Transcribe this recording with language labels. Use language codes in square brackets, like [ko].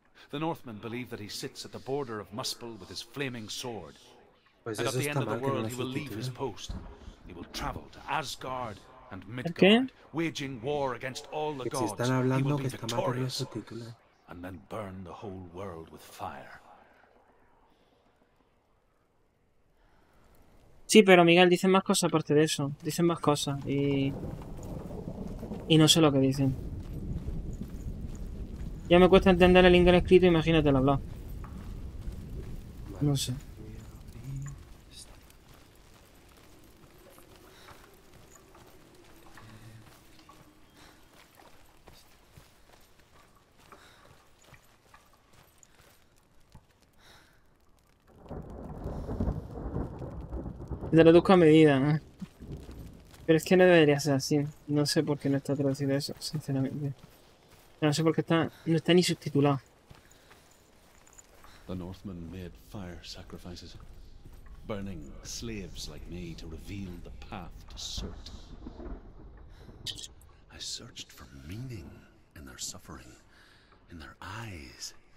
[en] The Northmen believe that he sits at the border of Muspel with his flaming sword. Pues and at the end of the world, he will leave his post. He will travel to Asgard and Midgard, waging war against all the gods. [es] Están hablando, [en] he will be victorious, and then burn the whole world with fire. [es] Sí, pero Miguel, dicen más cosas aparte de eso. Dicen más cosas y... Y no sé lo que dicen. Ya me cuesta entender el inglés escrito, imagínate el hablado. No sé. Se traduzco a medida, ¿eh? Pero es que no debería ser así. No sé por qué no está traducido eso, sinceramente. Que no sé por qué está, no está ni subtitulado. [en] The Northmen made fire sacrifices, burning slaves like me to reveal the path to Surt. I searched for meaning in their suffering, in their eyes.